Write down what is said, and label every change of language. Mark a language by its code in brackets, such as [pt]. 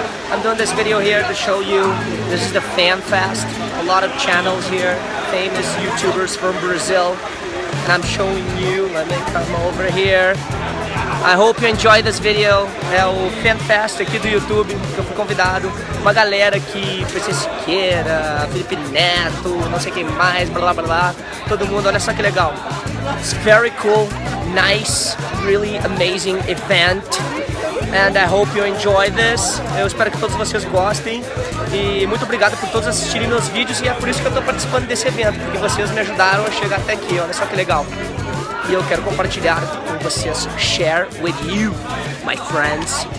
[en] I'm doing this video here to show you. This is the FanFest. A lot of channels here, famous YouTubers from Brazil. And I'm showing you. Let me come over here. I hope you enjoy this video. [pt] É o FanFest aqui do YouTube, que eu fui convidado. Uma galera aqui, Francisco Siqueira, Felipe Neto, não sei quem mais, blá blá blá. Todo mundo, olha só que legal. [en] It's very cool, nice, really amazing event. And I hope you enjoy this. [pt] Eu espero que todos vocês gostem. E muito obrigado por todos assistirem meus vídeos. E é por isso que eu estou participando desse evento, porque vocês me ajudaram a chegar até aqui. Olha só que legal. E eu quero compartilhar com vocês. [en] Share with you, my friends.